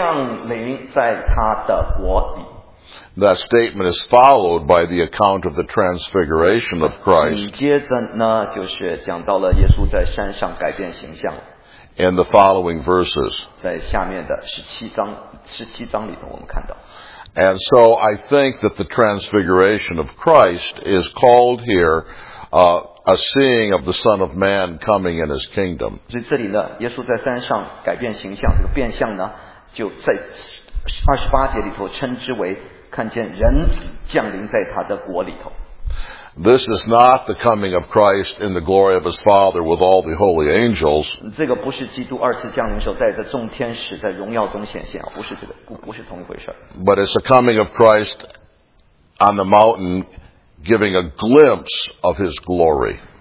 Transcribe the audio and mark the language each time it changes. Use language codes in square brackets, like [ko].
[zh] 我实在地告诉你们，站在这里的人，有人没尝死味以前，必看见人子降临在他的国里。 [en] That statement is followed by the account of the transfiguration of Christ. [zh] 紧接着呢，就是讲到了耶稣在山上改变形象。 [en] In the following verses. [zh] 在下面的十七章里头，我们看到。 [en] And so I think that the transfiguration of Christ is called here a seeing of the Son of Man coming in His kingdom. [zh] 所以这里呢，耶稣在山上改变形象，这个变相呢，就在28节里头称之为看见人子降临在他的国里头。 [en] This is not the coming of Christ in the glory of His Father with all the holy angels. [zh] 这个不是基督二次降临时候带着众天使在荣耀中显现，不是这个，不是同一回事。 [en] But it's the coming of Christ on the mountain giving a glimpse of His glory.